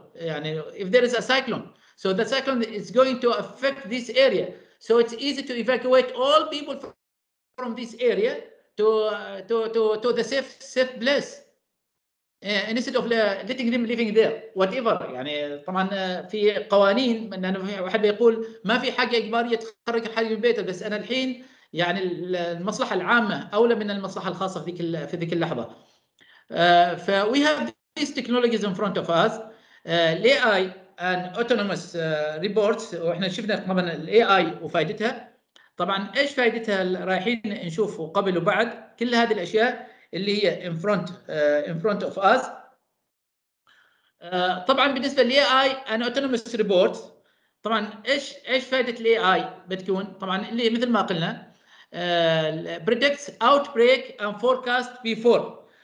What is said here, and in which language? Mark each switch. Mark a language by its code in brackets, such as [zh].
[en] يعني if there is a cyclone so the cyclone is going to affect this area so it's easy to evacuate all people from this area to the safe place instead of letting them living there whatever. [ar] يعني طبعا في قوانين ان واحد بيقول ما في حاجه اجباريه تخرج حد من بيته بس انا الحين يعني المصلحه العامه اولى من المصلحه الخاصه في ذيك اللحظه. [en] We have these technologies in front of us. AI and autonomous reports. [ar] وإحنا شفنا طبعاً AI وفائدتها. طبعاً إيش فائدتها رايحين نشوف قبل وبعد كل هذه الأشياء اللي هي [en] in front of us. [ar] طبعاً بالنسبة [en] AI and autonomous reports. [ar] طبعاً إيش فائدة AI بتكون؟ طبعاً اللي مثل ما قلنا [en] predicts outbreak and forecast before.